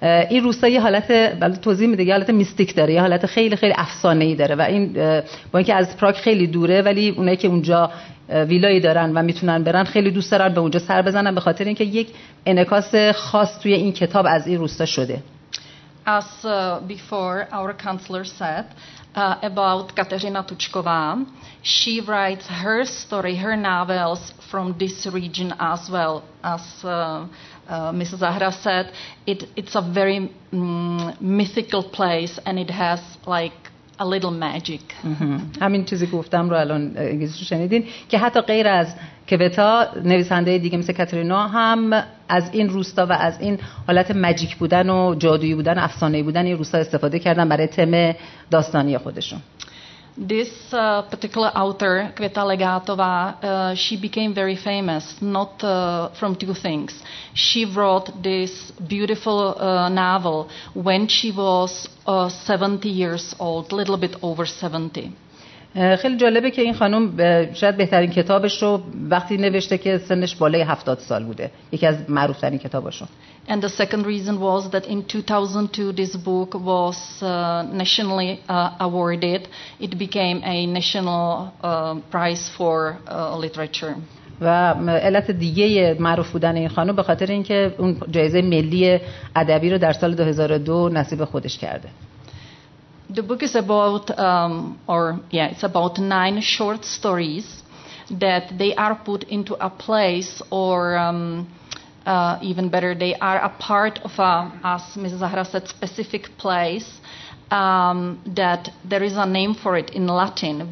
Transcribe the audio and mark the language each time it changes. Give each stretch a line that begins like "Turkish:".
Persian: این روستا یه حالت، بله توضیح میده، یه حالت میستیک داره، یه حالت خیلی خیلی افسانه‌ای داره و این با اینکه از پراگ خیلی دوره ولی اونایی که اونجا ویلایی دارن و میتونن برن خیلی دوست دارن به اونجا سر بزنن به خاطر اینکه یک انعکاس خاص توی این کتاب از این روستا شده.
English: As before our counselor said about Kateřina Tučková, she writes her story, her novels from this region as well. As Ms. Zahra said, it's a very mythical place and it has like a little magic.
Persian: همین چیزی که گفتم رو الان انگلیسی شنیدین که حتی غیر از کویتا نویسنده دیگه مثل کاترینا هم از این روستا و از این حالت ماجیک بودن و جادویی بودن و افسانه‌ای بودن این روستا استفاده کردن برای تم داستانی خودشون.
English: This particular author, Květa Legátová, she became very famous not from two things. She wrote this beautiful novel when she was 70 years old, a little bit over 70.
Persian: خیلی جالبه که این خانم شاید بهترین کتابش رو وقتی نوشته که سنش بالای 70 سال بوده، یکی از معروف‌ترین کتاباشو.
English: And the second reason was that in 2002 this book was nationally awarded. It became a national prize for literature.
Persian: و علت دیگه معروف بودن این خانم به خاطر اینکه اون جایزه ملی ادبی رو در سال 2002 نصیب خودش کرده.
English: The book is about, it's about 9 short stories that they are put into a place, or even better, they are a part of a, as Mrs. Zahra said, specific place. That there is a name for it in Latin.